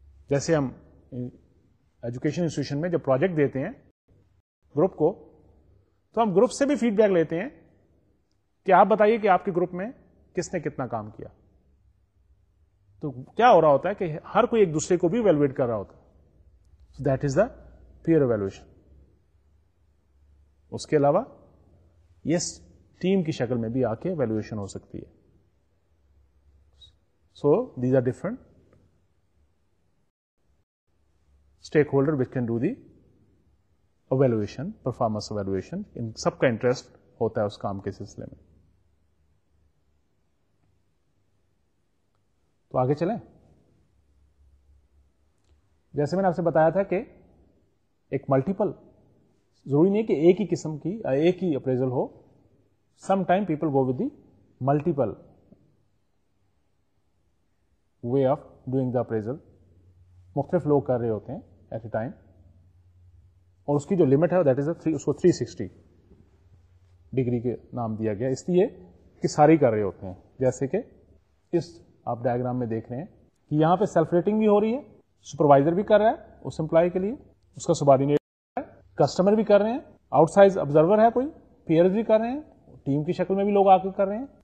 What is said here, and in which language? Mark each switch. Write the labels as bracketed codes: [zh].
[ur] جیسے ہم education institution میں جب پروجیکٹ دیتے ہیں گروپ کو تو ہم گروپ سے بھی فیڈ بیک لیتے ہیں کہ آپ بتائیے کہ آپ کے گروپ میں کس نے کتنا کام کیا. تو کیا ہو رہا ہوتا ہے کہ ہر کوئی ایک دوسرے کو بھی ایویلویٹ کر رہا ہوتا ہے. [en] So that is the peer evaluation. [ur] اس کے علاوہ یس ٹیم کی شکل میں بھی آ کے ایویلویشن ہو سکتی ہے. [en] So these are different stakeholder which can do the evaluation performance evaluation. [ur] ان سب کا انٹرسٹ ہوتا ہے اس کام کے سلسلے میں. تو آگے چلیں. جیسے میں نے آپ سے بتایا تھا کہ ایک ملٹیپل, ضروری نہیں کہ ایک ہی قسم کی ایک ہی appraisal ہو. [en] Some time people go with the multiple way of doing the appraisal. [ur] مختلف لوگ کر رہے ہوتے ہیں [en] At a time. [ur] اور اس کی جو لمٹ ہے [en] that is a three, [ur] اس کو 360 ڈگری کے نام دیا گیا اس لیے کہ ساری کر رہے ہوتے ہیں. جیسے کہ اس آپ ڈائگرام میں دیکھ رہے ہیں کہ یہاں پہ سیلف ریٹنگ بھی ہو رہی ہے, سپروائزر بھی کر رہا ہے اس امپلائی کے لیے, اس کا سبارڈینیٹر ہے, کسٹمر بھی کر رہے ہیں, آؤٹ سائز آبزرور ہے کوئی, پیئرز بھی کر رہے ہیں, ٹیم کی شکل میں بھی لوگ آ کے کر رہے ہیں.